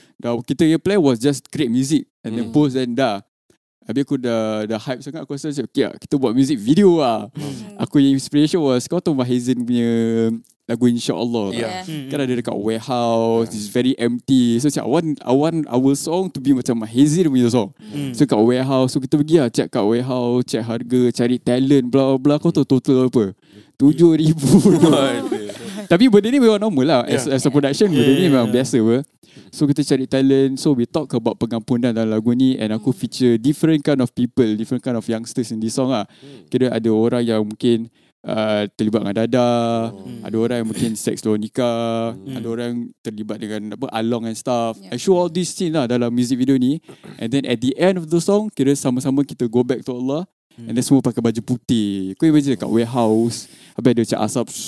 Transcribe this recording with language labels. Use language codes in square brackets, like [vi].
[ms] Dan kita punya [en] plan was just create music and then post and dah. [ms] Habis aku dah hype sangat, aku rasa macam okay lah, kita buat music video lah. Aku yang inspiration was, kau tahu Mahizin punya lagu InsyaAllah. [en] Yeah. [ms] Kan ada dekat [en] warehouse, it's very empty. So cik, I want our song to be [ms] macam Mahizin punya [en] song. [ms] So kat warehouse, so kita pergi lah, check kat warehouse, check harga, cari talent, bla bla bla. Kau tahu total apa? RM7,000. Tapi benda ni memang normal lah. [en] As a production, [ms] benda ni memang biasa pun. [en] So kita cari talent. So we talk about [ms] pengampunan dalam lagu ni. [en] And aku feature different kind of people, different kind of youngsters in this song lah. [ms] Kira ada orang yang mungkin terlibat dengan dadah. Ada orang yang mungkin seks luar nikah. Ada orang terlibat dengan apa, [en] along and stuff. I show all this scene lah dalam music video ni. And then at the end of the song, [ms] kira sama-sama kita [en] go back to Allah. [ms] And then semua pakai baju putih. Kau imagine dekat warehouse, habis ada macam asap.